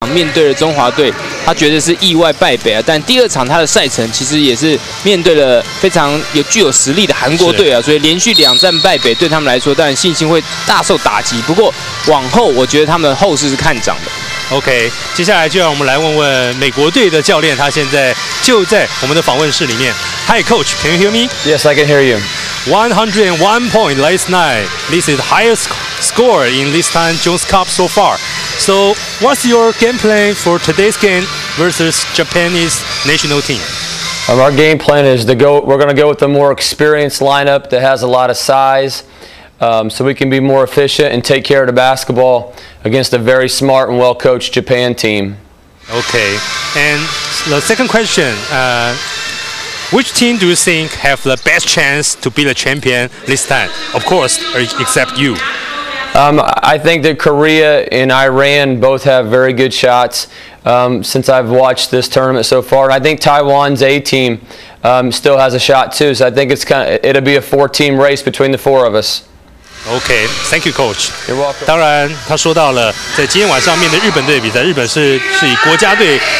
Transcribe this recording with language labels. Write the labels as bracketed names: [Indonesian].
[Chinese] 面对了中华队，他觉得是意外败北啊。但第二场他的赛程其实也是面对了非常有具有实力的韩国队啊，所以连续两战败北，对他们来说当然信心会大受打击。不过往后我觉得他们的后势是看涨的。 OK， 接下来就让我们来问问美国队的教练，他现在就在我们的访问室里面。 [English] Hi, Coach, can you hear me? Yes, I can hear you. 101 point last night. This is the highest score in this time Jones Cup so far. So, what's your game plan for today's game versus Japanese national team? Our game plan is to go. We're going to go with a more experienced lineup that has a lot of size. So we can be more efficient and take care of the basketball against a very smart and well-coached Japan team. Okay, and the second question,which team do you think have the best chance to be the champion this time? Of course, except you. I think that Korea and Iran both have very good shots since I've watched this tournament so far. I think Taiwan's A team still has a shot too, so I think it'll be a four-team race between the four of us. OK, thank you, Coach. You're welcome. [Chinese] 当然，他说到了在今天晚上面对日本队比赛，日本是以国家队。